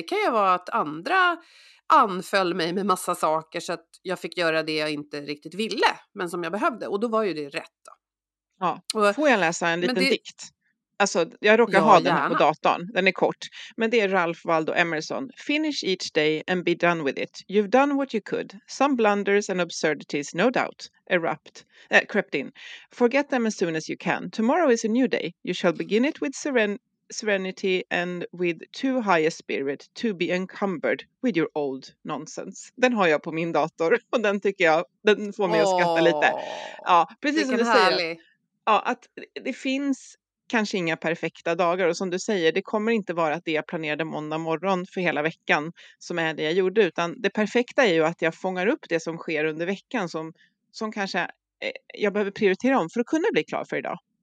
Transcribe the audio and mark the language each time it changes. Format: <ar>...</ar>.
<sv>Det kan ju vara att andra anföll mig med massa saker så att jag fick göra det jag inte riktigt ville, men som jag behövde, och då var ju det rätt då. Ja, får jag läsa en liten dikt? Alltså, jag råkar ha den här på datorn. Den är kort. Men det är Ralph Waldo Emerson.</sv> <en>Finish each day and be done with it. You've done what you could. Some blunders and absurdities, no doubt, crept in. Forget them as soon as you can. Tomorrow is a new day. You shall begin it with serenity and with too high a spirit to be encumbered with your old nonsense.</en> <sv>Den har jag på min dator och den tycker jag, den får mig att skratta lite. Ja, precis som du säger. Ja, att det finns kanske inga perfekta dagar, och som du säger, det kommer inte vara att det jag planerade måndag morgon för hela veckan som är det jag gjorde, utan det perfekta är ju att jag fångar upp det som sker under veckan som kanske jag behöver prioritera om för att kunna bli klar för idag.</sv>